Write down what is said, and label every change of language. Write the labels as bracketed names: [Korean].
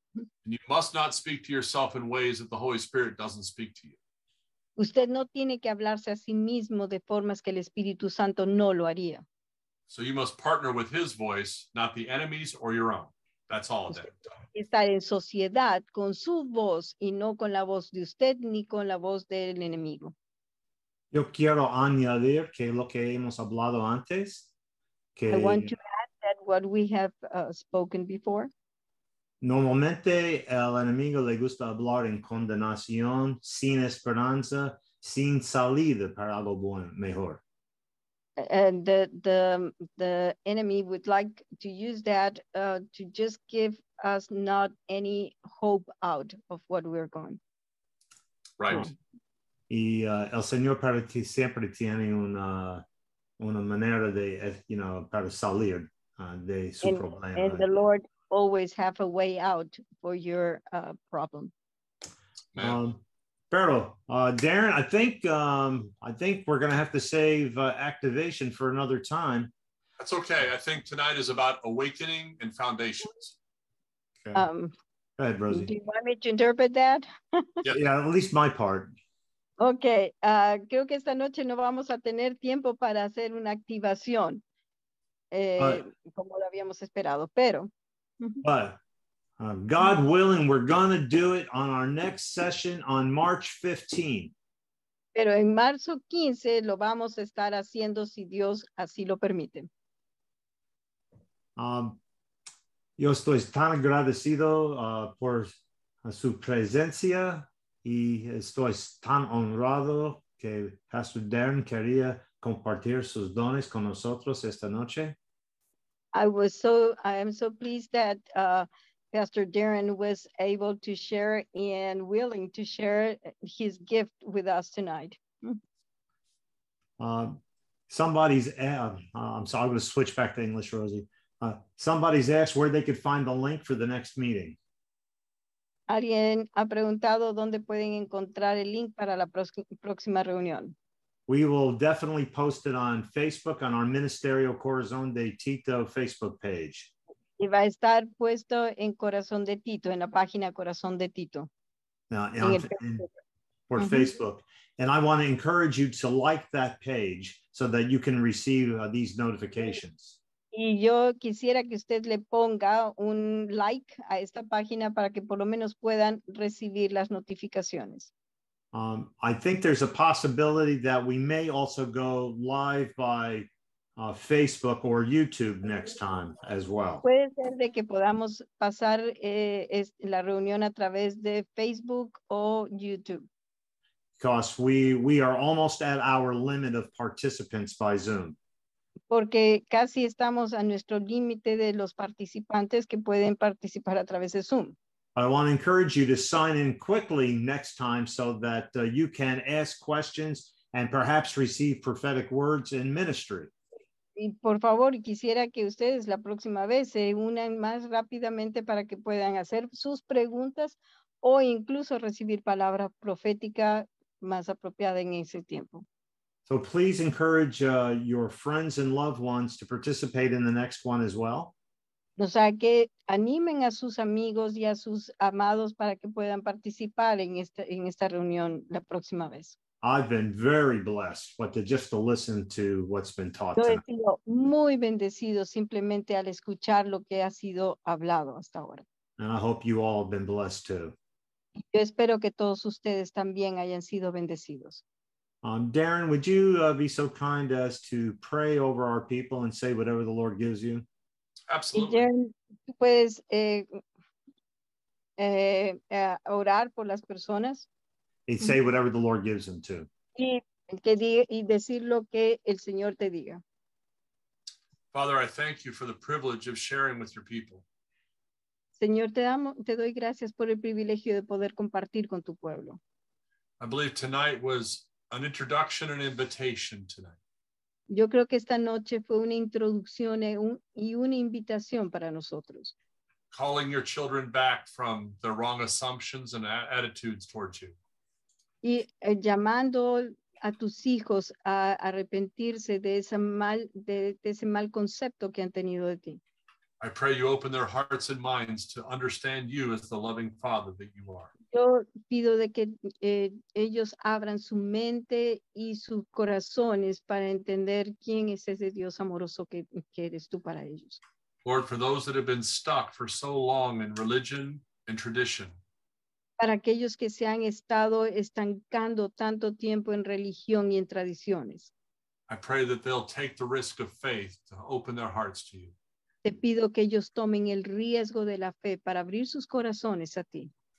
[English] And you must not speak to yourself in ways that the Holy Spirit doesn't speak to you. [Spanish] Usted no tiene que hablarse a sí mismo de formas que el Espíritu Santo no lo haría. [English] So you must partner with his voice, not the enemy's or your own. That's all of that. [Spanish] Estar en sociedad con su voz y no con la voz de usted ni con la voz del enemigo. Yo quiero añadir que lo que hemos hablado antes. Que [English] I want to add that what we have spoken before. [Spanish] Normalmente al enemigo le gusta hablar en condenación, sin esperanza, sin salida para algo mejor. [English] And the enemy would like to use that to just give us not any hope out of what we're going. Right. [Spanish] Y el Señor para ti siempre tiene una manera de, para salir de su problema. [English] And the Lord always have a way out for your problem. Darren, I think we're going to have to save activation for another time. That's okay. I think tonight is about awakening and foundations. Okay. Go ahead, Rosie. Do you want me to interpret that? Yeah, at least my part. Okay. [Spanish] Creo que esta noche no vamos a tener tiempo para hacer una activación. Como lo habíamos esperado, pero... [English] God willing, we're going to do it on our next session on March 15. [Spanish] Pero en marzo 15 lo vamos a estar haciendo si Dios así lo permite. Yo estoy tan agradecido por su presencia y estoy tan honrado que Pastor Darren quería compartir sus dones con nosotros esta noche. [English] I am so pleased that Pastor Darren was able to share and willing to share his gift with us tonight. I'm going to switch back to English, Rosie. Somebody's asked where they could find the link for the next meeting. [Spanish] Alguien ha preguntado dónde pueden encontrar el link para la próxima reunión. [English] We will definitely post it on Facebook on our Ministerio Corazón de Tito Facebook page. [Spanish] Y va a estar puesto en Corazón de Tito, en la página Corazón de Tito. Por Facebook. [English] And I want to encourage you to like that page so that you can receive these notifications. [Spanish] Y yo quisiera que usted le ponga un like a esta página para que por lo menos puedan recibir las notificaciones. [English] I think there's a possibility that we may also go live by Facebook or YouTube next time as well. [Spanish] Puede ser de que podamos pasar la reunión a través de Facebook o YouTube. [English] Because we are almost at our limit of participants by Zoom. [Spanish] Porque casi estamos a nuestro límite de los participantes que pueden participar a través de Zoom. [English] I want to encourage you to sign in quickly next time so that you can ask questions and perhaps receive prophetic words in ministry. [Spanish] Y por favor, quisiera que ustedes la próxima vez se unan más rápidamente para que puedan hacer sus preguntas o incluso recibir palabra profética más apropiada en ese tiempo. [English] So please encourage your friends and loved ones to participate in the next one as well. [Spanish] O sea, que animen a sus amigos y a sus amados para que puedan participar en esta reunión la próxima vez. [English] I've been very blessed just to listen to what's been taught. [Spanish] Yo he sido muy bendecido simplemente al escuchar lo que ha sido hablado hasta ahora. [English] And I hope you all have been blessed too. [Spanish] Yo espero que todos ustedes también hayan sido bendecidos. [English] Darren, would you be so kind as to pray over our people and say whatever the Lord gives you? Absolutely. [Spanish] Y Darren, ¿tú puedes orar por las personas? [English] Y say whatever the Lord gives them to. [Spanish] Y decir lo que el Señor te diga. [English] Father, I thank you for the privilege of sharing with your people. [Spanish] Señor, te doy gracias por el privilegio de poder compartir con tu pueblo. [English] I believe tonight was an introduction and invitation tonight. [Spanish] Yo creo que esta noche fue una introducción y una invitación para nosotros. [English] Calling your children back from their wrong assumptions and attitudes towards you. [Spanish] Y llamando a tus hijos a arrepentirse de ese mal concepto que han tenido de ti. [English] I pray you open their hearts and minds to understand you as the loving Father that you are. [Spanish] Yo pido de que ellos abran su mente y sus corazones para entender quién es ese Dios amoroso que eres tú para ellos. [English] Lord, for those that have been stuck for so long in religion and tradition. [Spanish] Para aquellos que se han estado estancando tanto tiempo en religión y en tradiciones. [English] I pray that they'll take the risk of faith to open their hearts to you. [Spanish] Te pido que ellos tomen el riesgo de la fe para abrir sus corazones a ti.